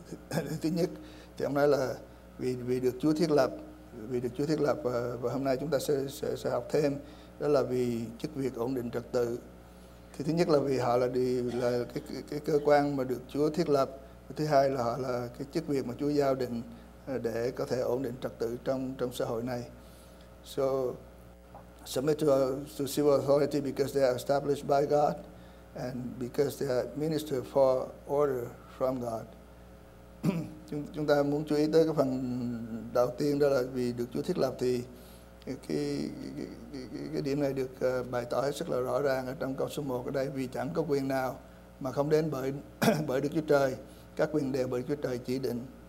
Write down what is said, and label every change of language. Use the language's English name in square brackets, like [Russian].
[Vietnamese] Thứ nhất thì ông nói là vì được Chúa thiết lập và hôm nay chúng ta sẽ học thêm, đó là vì chức việc ổn định trật tự. Thì thứ nhất là vì họ là cái cơ quan mà được Chúa thiết lập, thứ hai là họ là cái chức việc mà Chúa giao định để có thể ổn định trật tự trong xã hội này. [English] So submit to civil authority because they are established by God and because they are minister for order from God. [Vietnamese] Chúng ta muốn chú ý tới cái phần đầu tiên, đó là vì được Chúa thiết lập, thì cái điểm này được bày tỏ rất là rõ ràng ở trong câu số 1 ở đây: vì chẳng có quyền nào mà không đến bởi bởi Đức Chúa Trời, các quyền đều bởi Chúa Trời chỉ định.